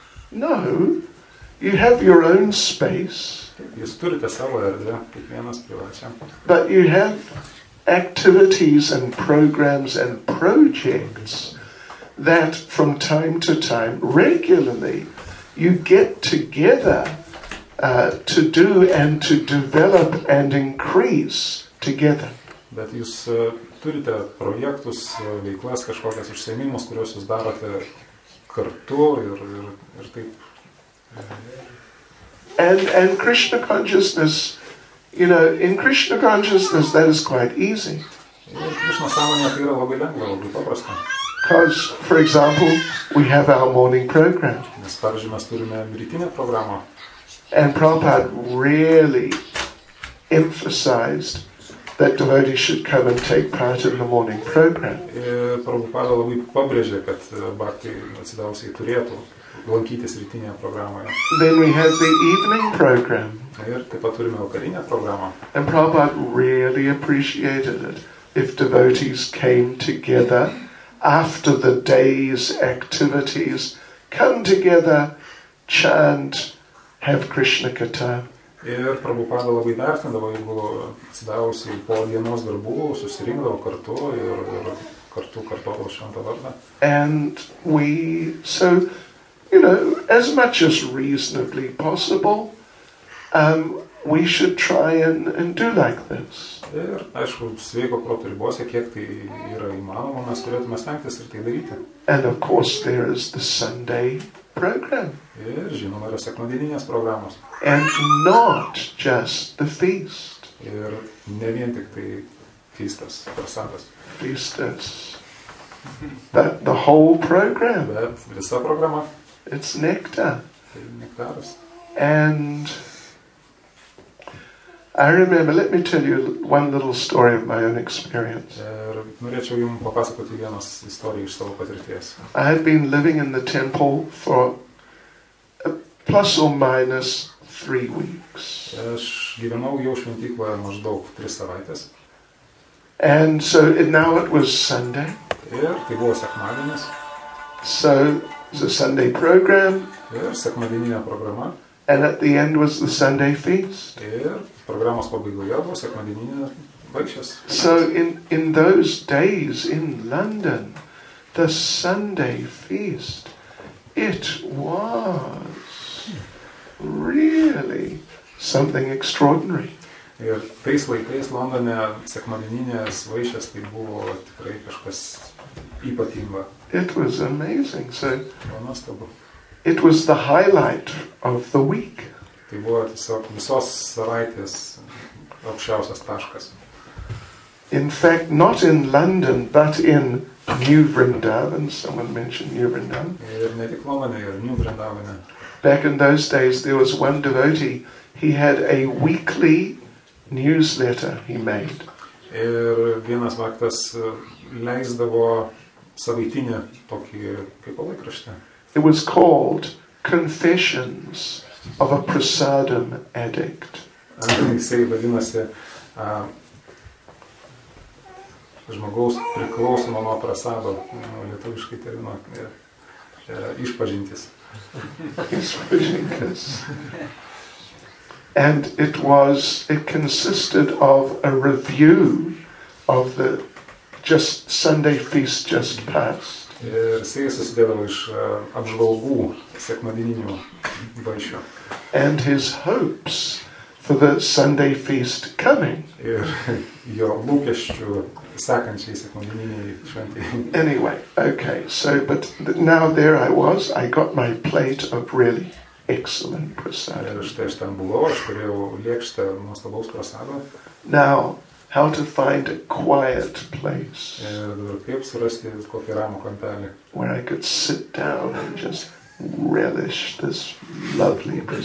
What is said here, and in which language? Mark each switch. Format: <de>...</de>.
<en>No, you have your own space.</en> <lt>Jūs turite savo erdvę, kiekvienas privačiam.</lt> <en>But you have activities and programs and projects that from time to time, regularly, you get together to do and to develop and increase together.</en> <lt>Bet jūs turite projektus, veiklas, kažkokias užsiėmimus, kuriuos jūs darote kartu ir taip.</lt> <en>And Krishna consciousness, you know, in Krishna consciousness that is quite easy.</en> <lt>Ir Krishna sąmonė tai yra labai lengva, labai paprasta.</lt> <en>Because, for example, we have our morning program.</en> <lt>Nes, pavyzdžiui, mes turime rytinę programą.</lt> <en>And Prabhupada really emphasized that devotees should come and take part in the morning program.</en> <lt>Prabhupada labai pabrėžė, kad bhakti atsidavusiai turėtų lankytis rytinėje programoje.</lt> <en>Then we have the evening program.</en> <lt>Ir taip pat turime vakarinę programą.</lt> <en>And Prabhupada really appreciated it if devotees came together after the day's activities, come together, chant, have Krishna katha.</en> <lt>Ir Prabhupada labai vertindavo, jeigu atsidavusi po dienos darbų, susirinkdavo kartu ir kartu kartuodavo šventą vardą.</lt> <en>And we, so, you know, as much as reasonably possible, we should try and do like this.</en> <lt>Ir, aišku, sveiko proto ribose, kiek tai yra įmanoma, mes turėtume stengtis ir tai daryti.</lt> <en>And of course there is the Sunday program.</en> <lt>Ir žinoma, yra sekmadieninės programos.</lt> <en>And not just the feast.</en> <lt>Ir ne vien tik tai feistas, prasadas.</lt> <en>Feistas. But the whole program.</en> <lt>Bet visa programa.</lt> <en>It's nectar.</en> <lt>Tai nektaras.</lt> <en>And I remember, let me tell you one little story of my own experience.</en> <lt>Ir norėčiau jums papasakoti vienas istoriją iš savo patirties.</lt> <en>I had been living in the temple for plus or minus 3 weeks.</en> <lt>Aš gyvenau jau šventykloje maždaug 3 savaites.</lt> <en>And so now it was Sunday.</en> <lt>Ir tai buvo sekmadienis.</lt> <en>So was a Sunday program.</en> <lt>Sekmadieninė programa.</lt> <en>And at the end was the Sunday feast.</en> <lt>Programos pabaigoje buvo sekmadieninės vaišės.</lt> <en>So in those days in London, the Sunday feast, it was really something extraordinary.</en> <lt>Ir tais laikais Londone sekmadieninės vaišės tai buvo tikrai kažkas ypatingo.</lt> <en>It was amazing. So</en> <lt>nuostabu.</lt> <en>It was the highlight of the week.</en> <lt>Tai buvo tiesiog visos savaitės aukščiausias taškas.</lt> <en>In fact, not in London, but in New Vrindavan. Someone mentioned New Vrindavan.</en> <lt>Ir ne tik Londone, ir New Vrindavane.</lt> <en>Back in those days, there was one devotee. He had a weekly newsletter he made.</en> <lt>Ir vienas vaktas leisdavo savaitinę tokį kaip laikraštį.</lt> <en>It was called Confessions of a Prasadam Addict.</en> <lt>Jisai vadinasi žmogaus priklausomo nuo prasado, lietuviškai termino, išpažintis. Išpažintis.</lt> <en>And it consisted of a review of the just Sunday feast just passed.</en> <lt>Ir jisai susidėdavo iš apžvalgų sekmadieninių vaišių.</lt> <en>And his hopes for the Sunday feast coming.</en> <lt>Ir jo lūkesčių sekančiai sekmadieniniai šventei.</lt> <en>Anyway, okay, so, but now there I was, I got my plate of really excellent prasada.</en> <lt>Ir štai aš ten buvau, aš turėjau lėkštę nuostabaus prasado.</lt> <en>Now, how to find a quiet place.</en> <lt>Kaip surasti kokį ramų kampelį.</lt> <en>Where I could sit down and just relish this lovely</en>